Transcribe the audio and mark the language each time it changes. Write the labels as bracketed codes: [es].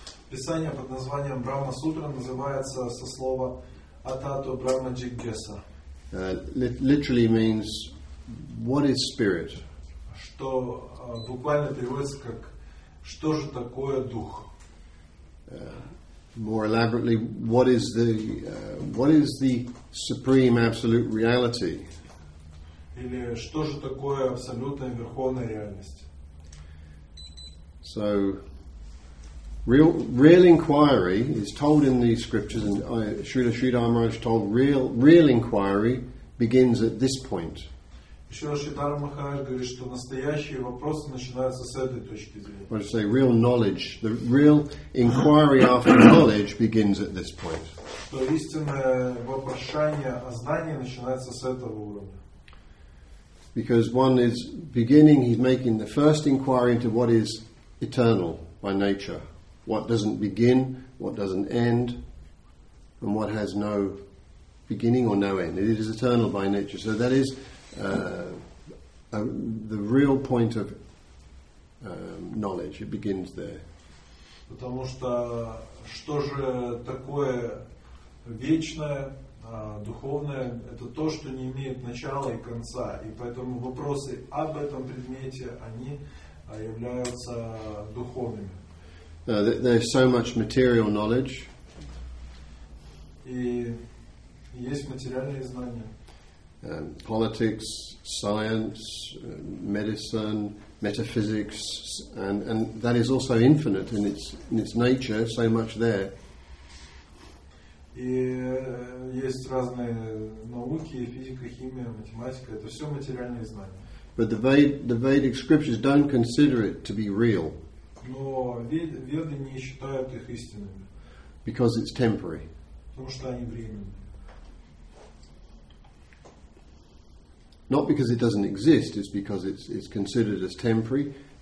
[ru] Писание под названием Брахма Сутра называется со слова Атато Брахма Джиггеса. [en] Literally means what is spirit? [ru] Что буквально переводится как что же такое дух? [en] More elaborately, what is the supreme absolute reality? [ru] Или что же такое абсолютная верховная реальность? [en] So, real inquiry is told in these scriptures, and Śrīla Śrīdhara is told real inquiry begins at this point. [ru] Śrīla Śrīdhara Mahārāja говорит, что настоящие вопросы начинаются с этой точки зрения. [en] What do you say? Real knowledge, the real inquiry after knowledge begins at this point. [ru] То истинное вопрошение о знании начинается с этого уровня. [en] Because one is beginning, he's making the first inquiry into what is eternal by nature. What doesn't begin, what doesn't end, and what has no beginning or no end. It is eternal by nature. So that is the real point of knowledge. It begins there. [ru] Потому что что же такое вечное, духовное, это то, что не имеет начала и конца. И поэтому вопросы об этом предмете, они являются духовными. [en] There's so much material knowledge. [ru] И есть материальные знания. [en] Politics, science, medicine, metaphysics, and that is also infinite in its nature. So much there. [ru] И есть разные науки: физика, химия, математика. Это все материальные знания. [en] But the Vedic scriptures don't consider it to be real. [ru] Но веды не считают их истинными. [en] Because it's temporary. [ru] Потому что они временные. [en] Not because it doesn't exist, it's because it's considered as temporary.